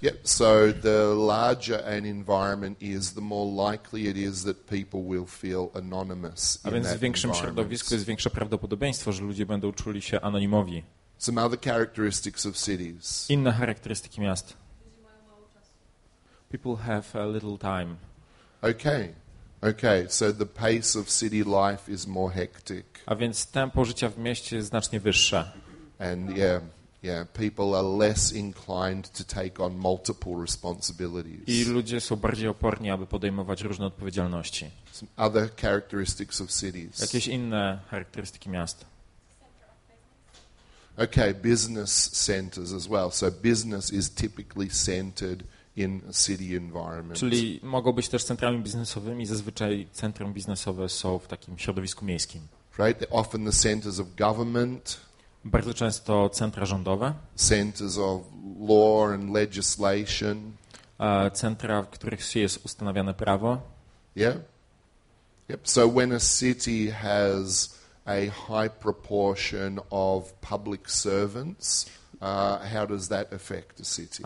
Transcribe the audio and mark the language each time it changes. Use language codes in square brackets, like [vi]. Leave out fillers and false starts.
[en] Yep, so the larger an environment is, the more likely it is that people will feel anonymous. [pl] A więc w większym środowisku jest większe prawdopodobieństwo, że ludzie będą czuli się anonimowi. [en] Some other characteristics of cities. [pl] Inne charakterystyki miast. [en] People have a little time. Okay, so the pace of city life is more hectic. [pl] A więc tempo życia w mieście jest znacznie wyższe. [en] And yeah. Yeah, people are less inclined to take on multiple responsibilities. [pl] I ludzie są bardziej oporni, aby podejmować różne odpowiedzialności. [en] Some other characteristics of cities. [pl] Jakieś inne charakterystyki miast. [en] Okay, business centers as well. So business is typically centered in a city environment. [pl] Czyli mogą być też centrami biznesowymi, zazwyczaj centra biznesowe są w takim środowisku miejskim. [en] Right, they're often the centers of government. [pl] Bardzo często centra rządowe, [en] centers of law and legislation, [pl] centra, w których jest ustanawiane prawo. [en] Yeah. Yep. So when a city has a high proportion of public servants, how does that affect the city?